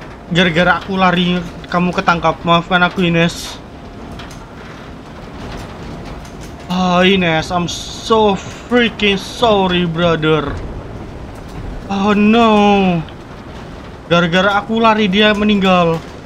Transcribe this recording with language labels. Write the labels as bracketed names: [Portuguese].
[Indonesian] Gara-gara aku lari, kamu ketangkap. Maafkan aku, Ines. [English] Ah, Ines, I'm so freaking sorry, brother. Oh no. [Indonesian] Gara-gara aku lari, dia meninggal.